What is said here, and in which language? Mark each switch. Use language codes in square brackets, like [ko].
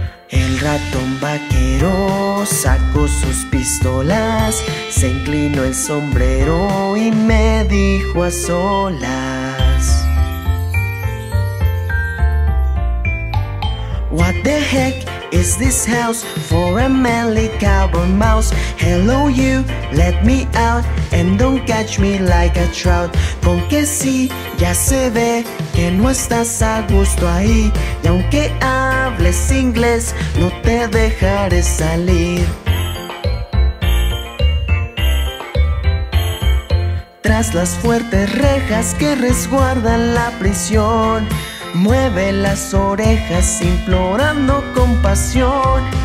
[es] El ratón vaquero sacó sus pistolas, se inclinó el sombrero y me dijo a solas: [en] What the heck is this house for a manly cowboy mouse? Hello you, let me out and don't catch me like a trout. [es] Con que sí, ya se ve que no estás a gusto ahí, y aunque hables inglés, no te dejaré salir. Tras las fuertes rejas que resguardan la prisión, mueve las orejas implorando compasión.